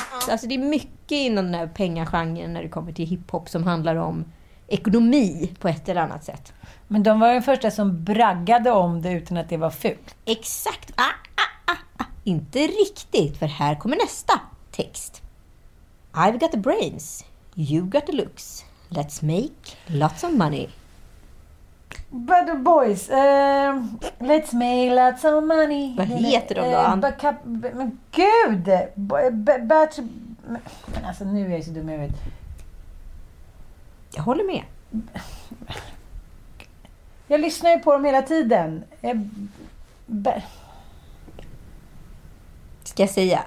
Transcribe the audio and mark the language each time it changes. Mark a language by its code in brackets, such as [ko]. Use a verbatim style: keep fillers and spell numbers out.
[sv] Alltså det är mycket inom den här pengagenren när det kommer till hiphop som handlar om ekonomi på ett eller annat sätt. Men de var den första som braggade om det utan att det var fult. Exakt. Ah, ah, ah, ah. Inte riktigt, för här kommer nästa text. [en] I've got the brains, you got the looks. Let's make lots of money. But the boys, uh, let's make lots of money. [sv] Vad heter de då? Uh, backup, men gud! Batch... Men alltså nu är jag så dum jag vet. Jag håller med. Jag lyssnar ju på dem hela tiden. Jag... Be... Ska jag säga?